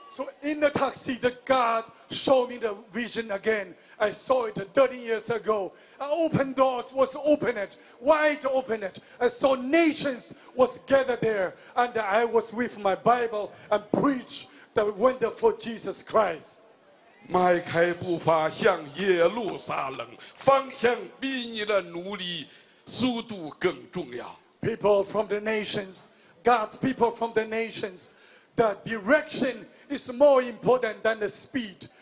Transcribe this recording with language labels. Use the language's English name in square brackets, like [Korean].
[English] So in the taxi, the God showed me the vision again. I saw it 30 years ago. An open door was opened, wide open it. I saw nations was gathered there. And I was with my Bible and preached the wonderful Jesus Christ. [Chinese] 迈开步伐向耶路撒冷，方向比你的努力速度更重要。 [English] People from the nations, God's people from the nations, the direction is more important than the speed.